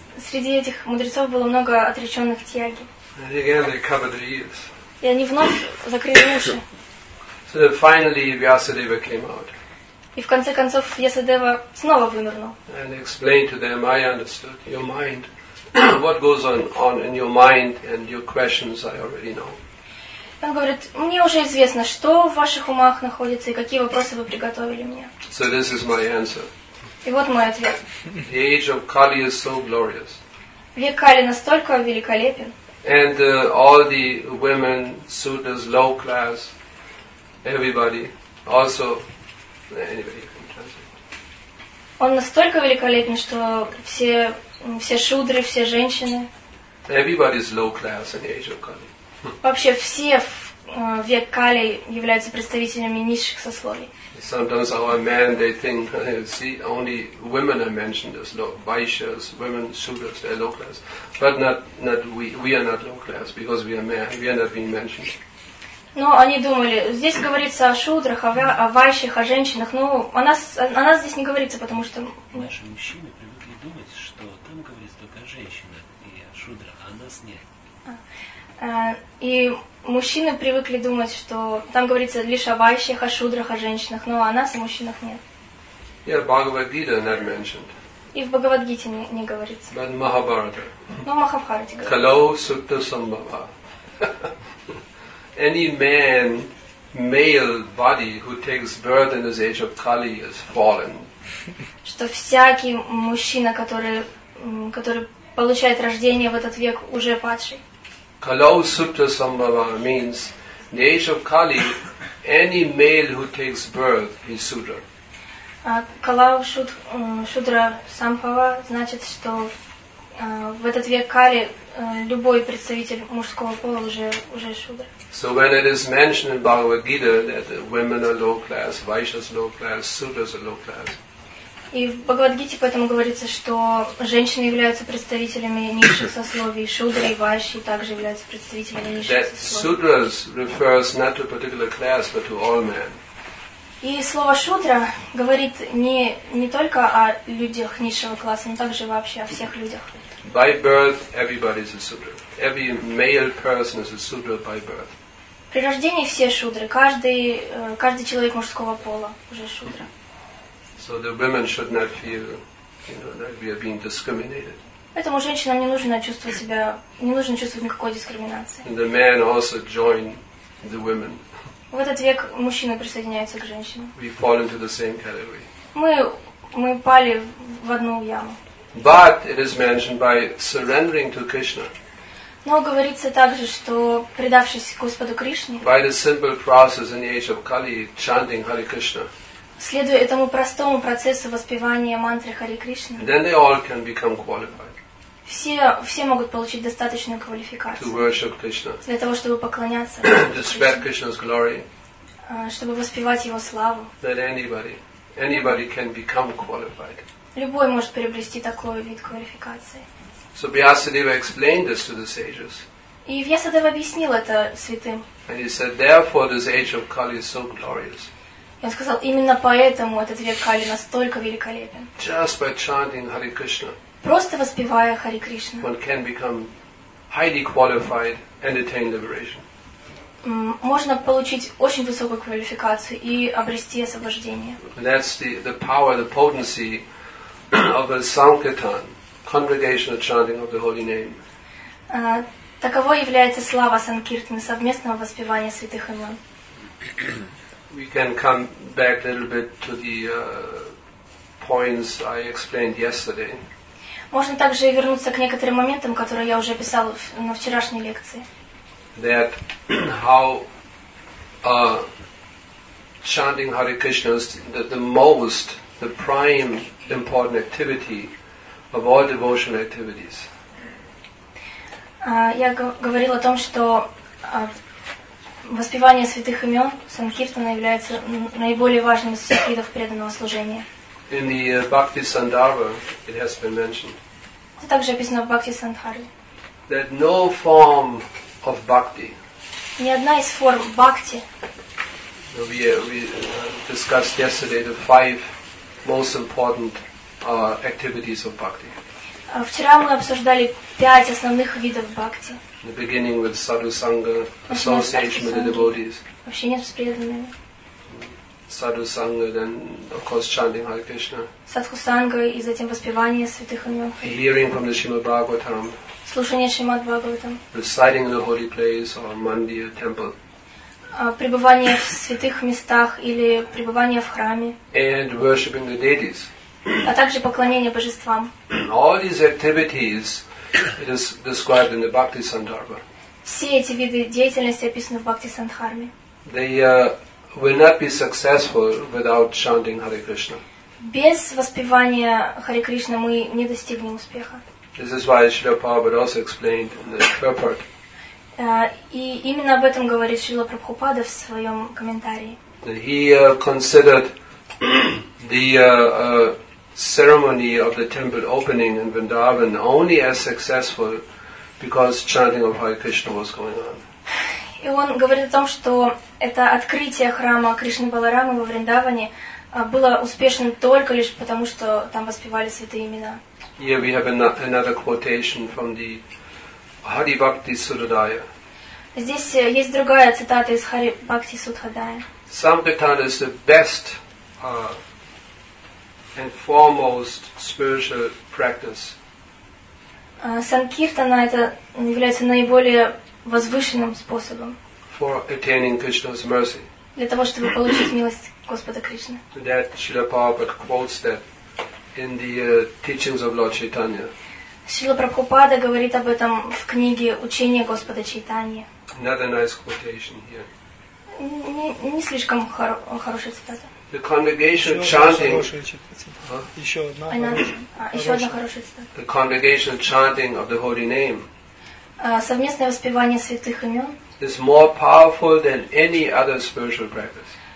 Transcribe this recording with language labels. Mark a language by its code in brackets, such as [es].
[ru] Среди этих мудрецов было много отреченных тьяги. [en] And again they covered their ears. [ru] И они вновь закрыли уши. [en] So that finally Vyasadeva came out. [ru] И в конце концов Вьясадева снова вынырнул. [en] And explained to them, I understood your mind. What goes on in your mind and your questions, I already know. [ru] Он говорит, мне уже известно, что в ваших умах находится и какие вопросы вы приготовили мне. [en] So this is my answer. [ru] И вот мой ответ. [en] The age of Kali is so glorious. [ru] Век Кали настолько великолепен. [en] And all the women, sudras, low class, everybody, also anybody can translate. [ru] Он настолько великолепен, что все шудры, все женщины. [en] Everybody is low class in the age of Kali. [ru] Вообще все в век Кали являются представителями низших сословий. [en] Sometimes our men, they think, see, only women are mentioned as low, Vaishyas, women, Shudras, they are low class. But not we, we are not low class, because we are men, we are not being mentioned. [ru] Но они думали, здесь говорится о Шудрах, о Вайшах, о женщинах, но о нас здесь не говорится, потому что... Наши мужчины привыкли думать, что там говорится только о женщинах и о Шудрах, а о нас нет. И мужчины привыкли думать, что там говорится лишь о вайшах, о шудрах, о женщинах, но о нас, о мужчинах, нет. [en] Yeah, Bhagavad-gita not mentioned. [ru] И в Бхагавад-гите не говорится. [en] But Mahabharata. [ru] Но в Махабхарате говорится. [sa] Kalo Sutta Sambhava. [en] Any man, male body, who takes birth in this age of Kali is fallen. [ru] Что всякий мужчина, который получает рождение в этот век, уже падший. [sa] Kalau Sutta Sambhava [en] means in the age of Kali, any male who takes birth is Sudra. [sa] Kalau Sutra Sambhava [ru] значит, что в этот век Кали любой представитель мужского пола уже Шудра. [en] So when it is mentioned in Bhagavad Gita that women are low class, Vaishyas low class, Sudras are low class. [ru] И в Бхагавад-гите поэтому говорится, что женщины являются представителями низших сословий, шудры и вайши также являются представителями низших сословий. [en] That sudras refers not to a particular class, but to all men. [ru] И слово шудра говорит не только о людях низшего класса, но также вообще о всех людях. [en] By birth, everybody is a shudra. Every male person is a shudra by birth. [ru] При рождении все шудры. Каждый человек мужского пола уже шудра. [en] So the women should not feel, you know, that we are being discriminated. [ru] Поэтому женщинам не нужно чувствовать себя, не нужно чувствовать никакой дискриминации. [en] And the men also join the women. [ru] В этот век мужчины присоединяются к женщинам. [en] We fall into the same category. [ru] Мы пали в одну яму. [en] But it is mentioned by surrendering to Krishna. [ru] Но говорится также, что предавшись Господу Кришне. [en] By the simple process in the age of Kali, chanting Hare Krishna. [ru] Следуя этому простому процессу воспевания мантры Хари Кришны, [en] then they all can become qualified. [ru] Все могут получить достаточную квалификацию [en] to worship Krishna. [ru] Для того, чтобы поклоняться [en] Krishna. Krishna's glory. [ru] Чтобы воспевать Его славу. [en] That anybody can become qualified. [ru] Любой может приобрести такой вид квалификации. [en] So Vyasadeva explained this to the sages. [ru] И Вьясадева объяснил это святым. [en] And he said, therefore this age of Kali is so glorious. [ru] Он сказал, именно поэтому этот век Кали настолько великолепен. [en] Just by chanting Hare Krishna, [ru] просто воспевая Хари Кришну, [en] one can become highly qualified and attain liberation. [ru] Можно получить очень высокую квалификацию и обрести освобождение. [en] That's the power, the potency of a Sankirtan, congregational chanting of the holy name. [ru] Таково является слава Санкиртаны, совместного воспевания святых имен. [en] We can come back a little bit to the points I explained yesterday. [ru] Можно также вернуться к некоторым моментам, которые я уже писал на вчерашней лекции. [en] That how chanting Hare Krishna is the most, the prime important activity of all devotional activities. [ru] Я говорил о том, что воспевание святых имен Санкиртана является наиболее важным из всех видов преданного служения. [en] In the Bhakti Sandharva, it has been mentioned. [ru] Это также описано в Бхакти Сандхарве. [en] That no form of bhakti. [ru] Ни одна из форм бхакти. [en] We discussed yesterday the five most important activities of bhakti. [ru] Вчера мы обсуждали пять основных видов бхакти. [en] In the beginning with sadhu sangha, association with the devotees. [ru] Общение с преданными. [en] Sadhu sangha, then of course chanting Hare Krishna. [ru] Sadhu sangha и затем воспевание святых имен. [en] Hearing from the Srimad Bhagavatam. [ru] Слушание Шримад Бхагаватам. [en] Reciting in the holy place or mandir, temple. [ru] Пребывание в святых местах или пребывание в храме. [en] And worshipping the deities. [ru] А также поклонение божествам. [en] All these activities. It is described in the Bhakti Sandharva. [ru] Все эти виды деятельности описаны в Бхакти Сандхарме. [en] They will not be successful without chanting Hare Krishna. [ru] Без воспевания Харе Кришна мы не достигнем успеха. [en] This is why Srila Prabhupada also explained in the purport. [ru] И именно об этом говорит Шрила Прабхупада в своем комментарии. [en] He considered the ceremony of the temple opening in Vrindavan only as successful because chanting of Hare Krishna was going on. [ru] И он говорит о том, что это открытие храма Кришны Баларамы во Вриндаване было успешным только лишь потому, что там воспевали святые имена. [en] Here we have another quotation from the Hari Bhakti Sudhodaya. [ru] Здесь есть другая цитата из Хари Бхакти Судхадая. [en] Sankirtan is the best and foremost spiritual practice. [ru] Sankirtana это является наиболее возвышенным способом. [en] For attaining Krishna's mercy. [ru] Для того, чтобы получить милость Господа Кришны. [en] That Srila Prabhupada quotes that in the teachings of Lord Chaitanya. [ru] Шрила Прабхупада говорит об этом в книге «Учение Господа Чайтаньи». [en] Another nice quotation here. [ru] Не слишком хорошая цитата. [en] The congregation chanting. [ru] Еще одна хорошая цитата. [en] The congregation chanting of the holy name. [ru] Совместное воспевание святых имен. [en] Is more powerful than any other spiritual practice.